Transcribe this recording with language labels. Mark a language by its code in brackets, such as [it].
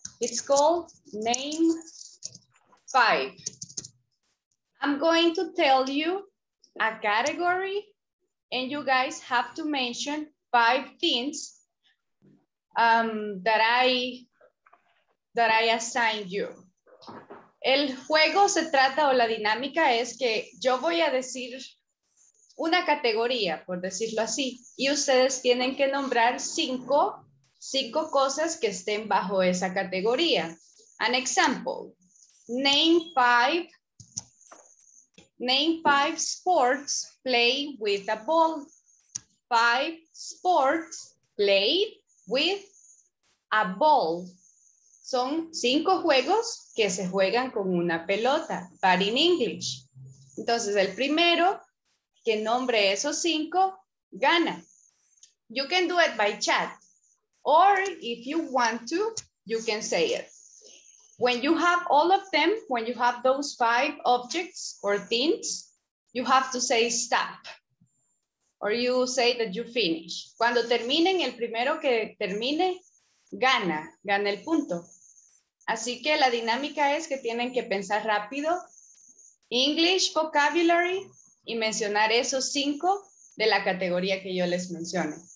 [en] It's called Name 5. I'm going to tell you a category and you guys have to mention 5 things that I assigned you. [es] El juego se trata o la dinámica es que yo voy a decir una categoría, por decirlo así, y ustedes tienen que nombrar 5 cosas que estén bajo esa categoría. [en] An example, name five sports play with a ball. 5 sports play with a ball. [es] Son 5 juegos que se juegan con una pelota, [en] but in English. [es] Entonces, el primero que nombre esos 5 gana. [en] You can do it by chat. Or if you want to, you can say it. When you have all of them, when you have those 5 objects or things, you have to say stop. Or you say that you finish. [es] Cuando terminen, el primero que termine, gana el punto. Así que la dinámica es que tienen que pensar rápido, [en] English vocabulary, [es] y mencionar esos 5 de la categoría que yo les mencione.